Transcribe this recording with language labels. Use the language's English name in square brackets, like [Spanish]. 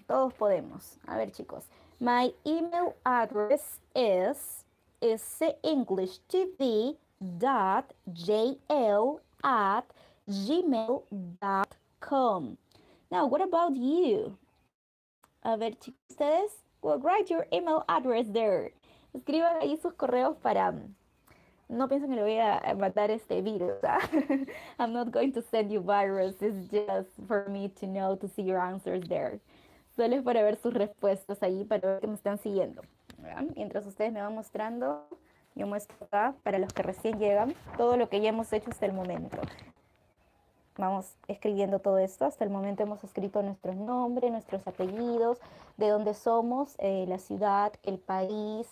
[Spanish] Todos podemos. A ver, chicos. [English] My email address is sEnglishTV.jl@gmail.com. Now, what about you? [Spanish] A ver, chicos, ustedes, [English] well, write your email address there. [Spanish] Escriban ahí sus correos para, No pienso que le voy a matar este virus. [English] I'm not going to send you virus. It's just for me to know, to see your answers there. [Spanish] Solo es para ver sus respuestas ahí, para ver que me están siguiendo. Mientras ustedes me van mostrando, yo muestro acá para los que recién llegan todo lo que ya hemos hecho hasta el momento. Vamos escribiendo todo esto. Hasta el momento hemos escrito nuestros nombres, nuestros apellidos, de dónde somos, la ciudad, el país.